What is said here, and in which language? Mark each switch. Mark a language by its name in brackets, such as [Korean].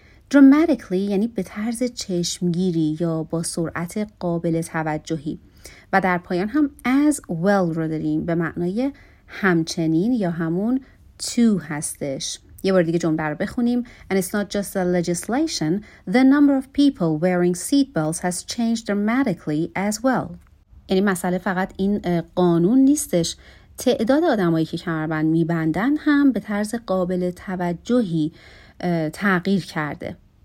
[Persian] Dramatically یعنی به طرز چشمگیری یا با سرعت قابل توجهی. و در پایان هم as well رو داریم به معنای همچنین یا همون to هستش. یه بار دیگه جمله رو بخونیم. [English] And it's not just the legislation, the number of people wearing seatbelts has changed dramatically as well. [Persian] یعنی مسئله فقط این قانون نیستش، تعداد آدمایی که کمربند می‌بندن هم به طرز قابل توجهی تغییر کرده.